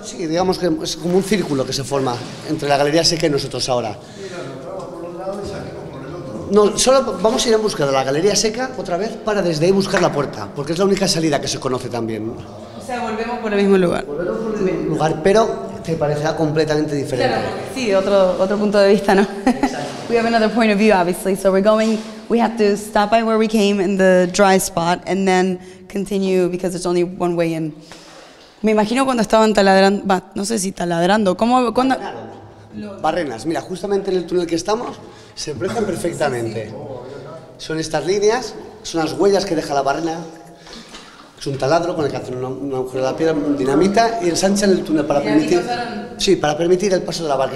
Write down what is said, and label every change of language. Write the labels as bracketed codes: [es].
[es] Sí, digamos que es como un círculo que se forma entre la galería seca y nosotros ahora. Mira, nos vamos por los lados y sale. No, solo vamos a ir en busca de la galería seca otra vez para desde ahí buscar la puerta, porque es la única salida que se conoce también. O sea, volvemos por el mismo lugar. Volvemos por el mismo lugar, pero te parecerá completamente diferente. Claro, sí, otro punto de vista, ¿no? Exacto. [en] We have another point of view, obviously, so we're going, we have to stop by where we came in the dry spot and then continue because it's only one way in. [es] Me imagino cuando estaban taladrando, no sé si taladrando, ¿cómo? Cuando... Barrenas, mira, justamente en el túnel que estamos se prestan perfectamente. Son estas líneas, son las huellas que deja la barrena. Es un taladro con el que hacen un agujero de la piedra, dinamita, y ensanchan el túnel para permitir, sí, para permitir el paso de la barca.